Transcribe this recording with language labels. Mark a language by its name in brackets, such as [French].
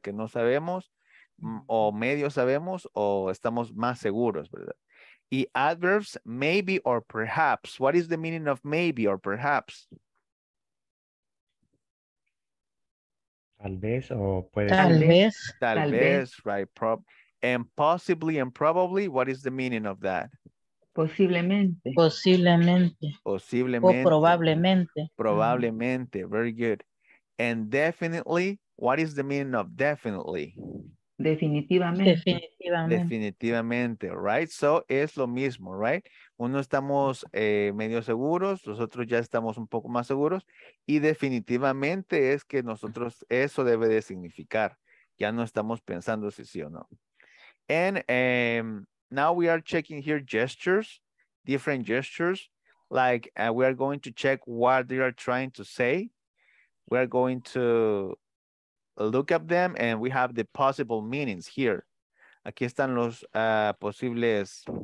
[Spanish] Que no sabemos o medio sabemos o estamos más seguros, ¿verdad? [English] Y adverbs, maybe or perhaps. What is the meaning of maybe or perhaps? [Spanish] Tal vez o puede ser. Tal vez. Right. [English] And possibly and probably, what is the meaning of that? [Spanish] Posiblemente. O probablemente. Probablemente. [English] Very good. And definitely, what is the meaning of definitely? [Spanish] Definitivamente, right? So, es lo mismo, right? Uno estamos medio seguros, nosotros ya estamos un poco más seguros, y definitivamente es que nosotros, eso debe de significar. Ya no estamos pensando si sí o no. [English] And now we are checking here gestures, different gestures, like we are going to check what they are trying to say. We are going to look at them, and we have the possible meanings here. [Spanish] Aquí están los posibles